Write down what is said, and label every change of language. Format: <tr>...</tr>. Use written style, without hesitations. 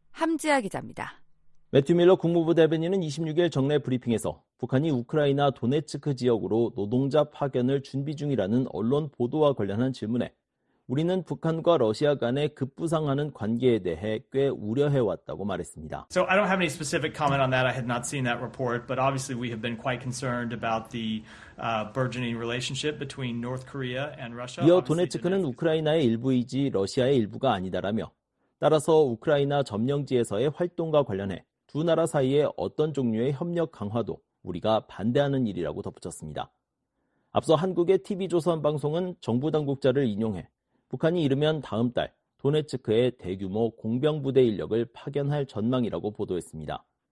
<ko>함지아 기자입니다. 매튜 밀러 국무부 대변인은 26일 정례 브리핑에서 북한이 우크라이나 도네츠크 지역으로 노동자 파견을 준비 중이라는 언론 보도와 관련한 질문에 우리는 북한과 러시아 간의 급부상하는 관계에 대해 꽤 우려해왔다고 말했습니다.</ko> <en>So I don't have any specific comment on that. I had not seen that report, but obviously we have been quite concerned about the burgeoning relationship between North Korea and Russia.</en> <ko>이어 도네츠크는 우크라이나의 일부이지 러시아의 일부가 아니다라며 따라서 우크라이나 점령지에서의 활동과 관련해 두 나라 사이의 어떤 종류의 협력 강화도 우리가 반대하는 일이라고 덧붙였습니다. 앞서 한국의 TV조선 방송은 정부 당국자를 인용해 북한이 이르면 다음 달 도네츠크에 대규모 공병부대 인력을 파견할 전망이라고 보도했습니다.</ko>